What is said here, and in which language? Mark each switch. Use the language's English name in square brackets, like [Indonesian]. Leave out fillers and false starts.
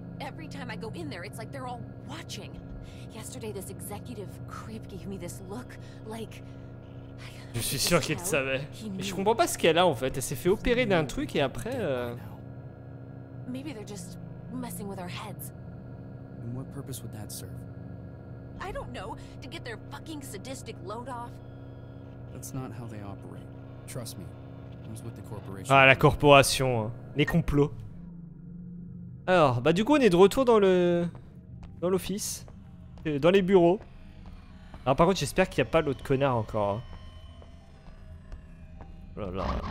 [English] Every time I go in there, it's like they're all watching. Yesterday, this executive creep gave me this look, like... [French] Je suis sûr qu'il savait. Mais je comprends pas ce qu'elle a, en fait. Elle s'est fait opérer d'un truc et après... [English] Maybe they're just messing with our heads. And what purpose would that serve? I don't know, to get their fucking sadistic load off. That's not how they operate. Trust me. I'm with the corporation. [French] Ah, la corporation, hein. Les complots. Alors, bah du coup, on est de retour dans le dans l'office, dans les bureaux. Alors par contre, j'espère qu'il n'y a pas l'autre connard encore. Oh là là.